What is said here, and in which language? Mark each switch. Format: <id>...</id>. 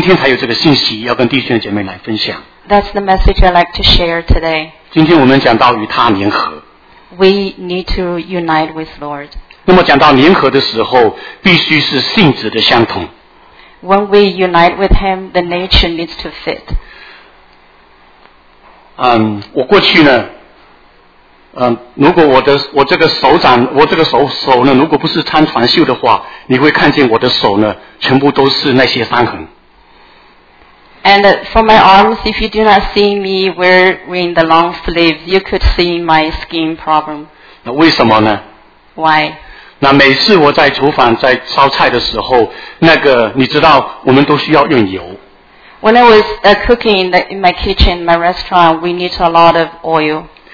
<zh>所以我们今天才有这个信息要跟弟兄姐妹来分享。</zh> <en>That's the message I'd like to share today.</en> <zh>今天我们讲到与他联合。</zh> <en>We need to unite with Lord.</en> <zh>那么讲到联合的时候，必须是性质的相同。</zh> <en>When we unite with him, the nature needs to fit.</en> <zh>我过去呢，如果我这个手呢，如果不是穿短袖的话，你会看见我的手呢，全部都是那些伤痕。</zh> <en>And for my arms, if you do not see me wearing the long sleeves, you could see my skin problem.</en> <zh>那为什么呢？</zh> <en>Why?</en> <zh>那每次我在厨房在烧菜的时候，那个你知道，我们都需要用油。</zh> <en>When I was cooking in my kitchen, my restaurant, we need a lot of oil.</en>